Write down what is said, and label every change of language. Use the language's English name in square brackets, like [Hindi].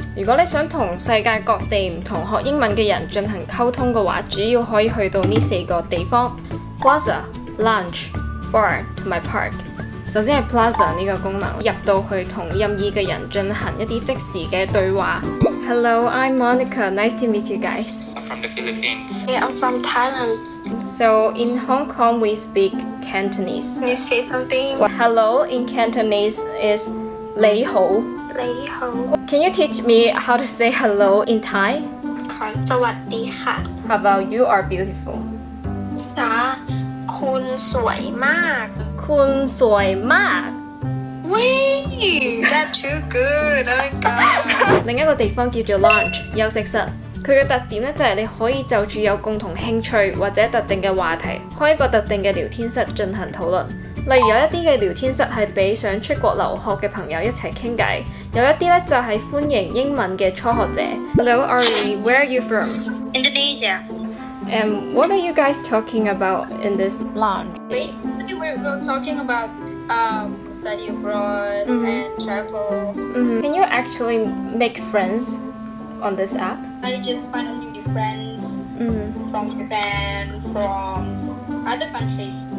[Chinese] 如果你想跟世界各地不同学英文的人进行沟通的话，主要可以去到这四个地方： Plaza、Lounge、Bar 和 Park。首先是 Plaza 这个功能，入到去跟任意的人进行一些即时的对话。 [English] Hello, I'm Monica, nice to meet you guys. I'm from the Philippines. Hey, I'm from Thailand. So in Hong Kong we speak Cantonese. Can you say something? Well, hello in Cantonese is 你好. [Chinese] 你好. [English] Can you teach me how to say hello in Thai? Of course, [Thai] สวัสดีค่ะ. [English] How about you are beautiful? [Thai] จ้าคุณสวยมาก คุณสวยมาก [English] Wee, that's too good. Oh my god. [Chinese] 另一个地方叫做 lounge 休息室，它的特点就是你可以就住有共同兴趣或者特定的话题开一个特定的聊天室进行讨论。例如有一些聊天室是给想出国留学的朋友一起聊天，有一些就是欢迎英文的初学者。 [English] Hello Ari, where are you from? Indonesia. And what are you guys talking about in this lounge? Basically we're talking about study abroad, mm-hmm. and travel, mm-hmm. Can you actually make friends on this app? I just finally made friends, mm-hmm. from Japan, from other countries,